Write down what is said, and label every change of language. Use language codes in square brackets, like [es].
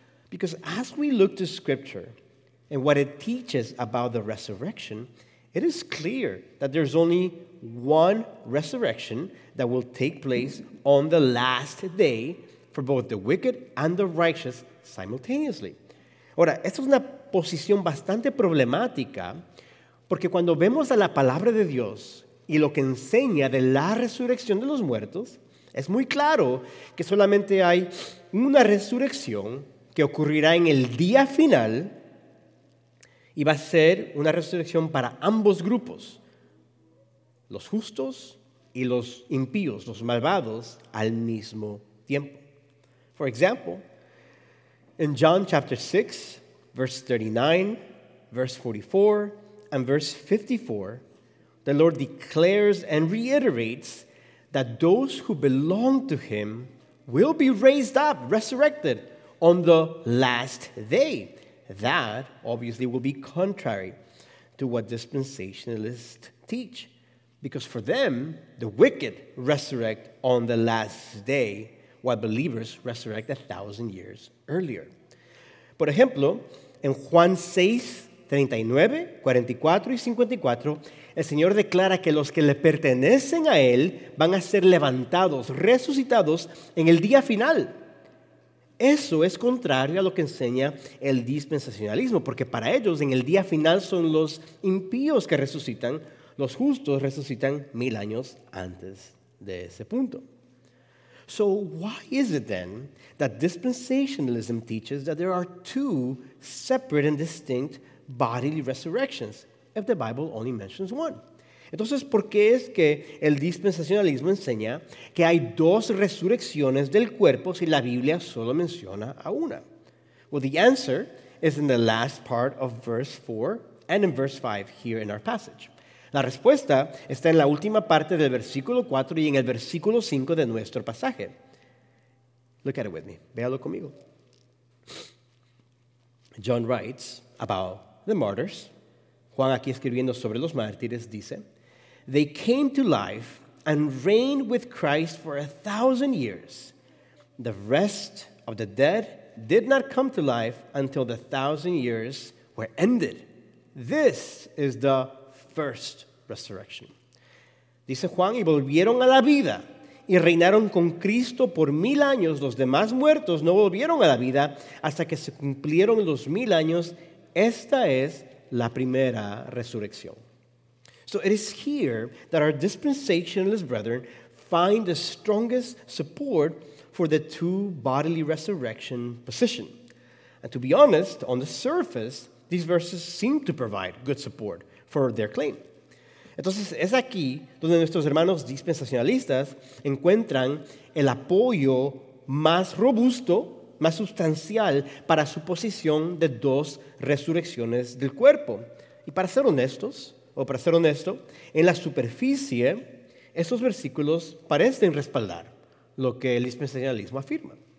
[en] Because as we look to Scripture and what it teaches about the resurrection, it is clear that there's only one resurrection that will take place on the last day for both the wicked and the righteous simultaneously. [es] Ahora, esto es una posición bastante problemática porque cuando vemos a la palabra de Dios y lo que enseña de la resurrección de los muertos, es muy claro que solamente hay una resurrección que ocurrirá en el día final y va a ser una resurrección para ambos grupos, los justos y los impíos, los malvados, al mismo tiempo. [en] For example, in John chapter 6, verse 39, verse 44, and verse 54, the Lord declares and reiterates that those who belong to him will be raised up, resurrected, on the last day. That obviously will be contrary to what dispensationalists teach. Because for them, the wicked resurrect on the last day, while believers resurrect 1,000 years earlier. [es] Por ejemplo, en Juan 6, 39, 44 y 54, el Señor declara que los que le pertenecen a Él van a ser levantados, resucitados en el día final. Eso es contrario a lo que enseña el dispensacionalismo, porque para ellos en el día final son los impíos que resucitan, los justos resucitan 1,000 años antes de ese punto. [en] So why is it then that dispensationalism teaches that there are two separate and distinct bodily resurrections if the Bible only mentions one? [es] Entonces, ¿por qué es que el dispensacionalismo enseña que hay dos resurrecciones del cuerpo si la Biblia solo menciona a una? [en] Well, the answer is in the last part of verse 4 and in verse 5 here in our passage. [es] La respuesta está en la última parte del versículo 4 y en el versículo 5 de nuestro pasaje. [en] Look at it with me. [es] Véalo conmigo. [en] John writes about the martyrs. [es] Juan aquí escribiendo sobre los mártires dice, [en] "They came to life and reigned with Christ for 1,000 years. The rest of the dead did not come to life until 1,000 years were ended. This is the first resurrection." [es] Dice Juan, y volvieron a la vida y reinaron con Cristo por 1,000 años. Los demás muertos no volvieron a la vida hasta que se cumplieron los 1,000 años. Esta es la primera resurrección. [en] So it is here that our dispensationalist brethren find the strongest support for the two bodily resurrection position. And to be honest, on the surface, these verses seem to provide good support for their claim. [es] Entonces, es aquí donde nuestros hermanos dispensacionalistas encuentran el apoyo más robusto, más sustancial para su posición de dos resurrecciones del cuerpo. Y para ser honestos, en la superficie, estos versículos parecen respaldar lo que el dispensacionalismo afirma.